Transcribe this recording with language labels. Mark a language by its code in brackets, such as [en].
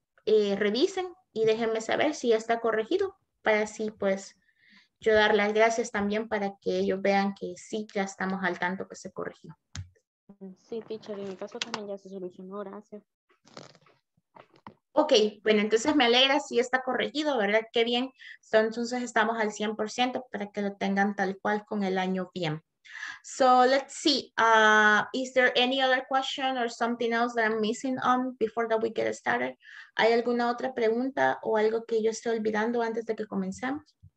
[es] Revisen y déjenme saber si ya está corregido para así, pues, yo dar las gracias también para que ellos vean que sí, ya estamos al tanto que se corrigió. Sí, teacher, en mi caso también ya se solucionó, gracias. Ok, bueno, entonces me alegra si está corregido, ¿verdad? Qué bien. Entonces estamos al 100% para que lo tengan tal cual con el año bien. [en] So, let's see. Is there any other question or something else that I'm missing on before that we get started? [es] ¿Hay alguna otra pregunta o algo que yo estoy olvidando antes de que comencemos?